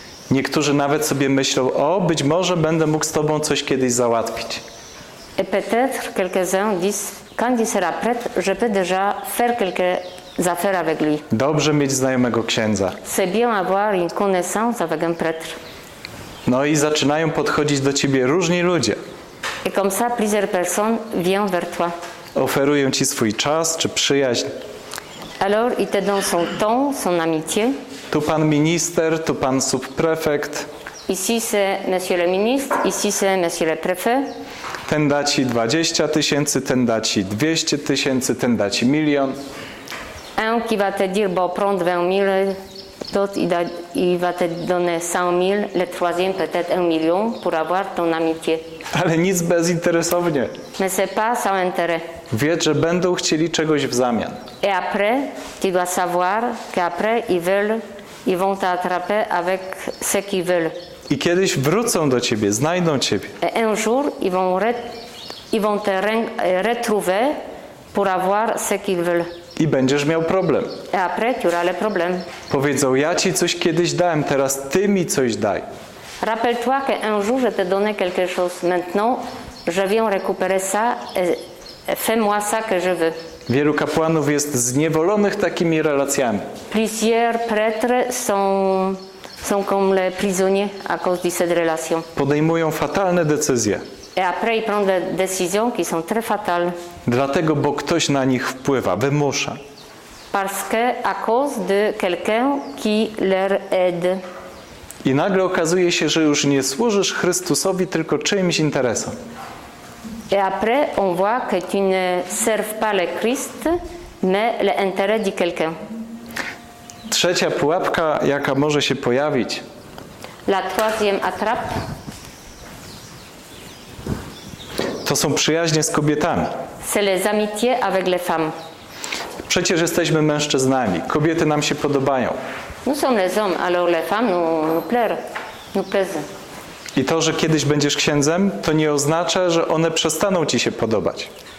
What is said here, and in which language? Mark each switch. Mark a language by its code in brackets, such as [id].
[pl] Niektórzy nawet sobie myślą: o, być może będę mógł z tobą coś kiedyś załatwić. [fr] Et peut-être quelques-uns disent: quand il sera prêtre, je peux déjà faire quelques affaires avec lui. [pl] Dobrze mieć znajomego księdza. [fr] C'est bien avoir une connaissance avec un prêtre. [pl] No i zaczynają podchodzić do ciebie różni ludzie. [fr] Et comme ça, plusieurs personnes viennent vers toi. [pl] Oferują ci swój czas czy przyjaźń. [fr] Alors, ils te donnent son temps, son amitié. [pl] Tu pan minister, tu pan subprefekt. [fr] Ici c'est monsieur le ministre, ici c'est monsieur le préfet. [pl] Ten da ci 20 tysięcy, ten da ci 200 tysięcy, ten da ci milion. [fr] Un qui va te dire bon, prends 20 000, d'autres il va te donner 100 000, le troisième peut-être un million pour avoir ton amitié. [pl] Ale nic bezinteresownie. [fr] Mais c'est pas sans intérêt. [pl] Wiedz, że będą chcieli czegoś w zamian. [fr] Et après, tu dois savoir qu'après ils vont t'attraper avec ce qu'ils veulent. [pl] I kiedyś wrócą do ciebie, znajdą ciebie. [fr] Et un jour, ils vont te retrouver pour avoir ce qu'ils veulent. [pl] I będziesz miał problem. [fr] Et après, tu auras le problème. [pl] Powiedzą: ja ci coś kiedyś dałem, teraz ty mi coś daj. [fr] Rappelle-toi qu'un jour, je te donnais quelque chose. Maintenant, je viens récupérer ça et fais-moi ça que je veux. [pl] Wielu kapłanów jest zniewolonych takimi relacjami. [fr] Plusieurs prêtres sont comme les prisonniers à cause de cette relation. [pl] Podejmują fatalne decyzje. [fr] Et après, ils prennent des décisions qui sont très fatales. [pl] Dlatego, bo ktoś na nich wpływa, wymusza. [fr] parce que à cause de quelqu'un qui leur aide. [pl] I nagle okazuje się, że już nie służysz Chrystusowi, tylko czyimś interesom. [fr] Et après, on voit que tu ne serves pas le Christ, mais les intérêts de quelqu'un. [pl] Trzecia pułapka, jaka może się pojawić. [fr] La troisième attrape. [pl] To są przyjaźnie z kobietami. [fr] C'est les amitiés avec les femmes. [pl] Przecież jesteśmy mężczyznami. Kobiety nam się podobają. [fr] Nous sommes les hommes, alors les femmes nous plaire, nous plaise. [pl] I to, że kiedyś będziesz księdzem, to nie oznacza, że one przestaną ci się podobać.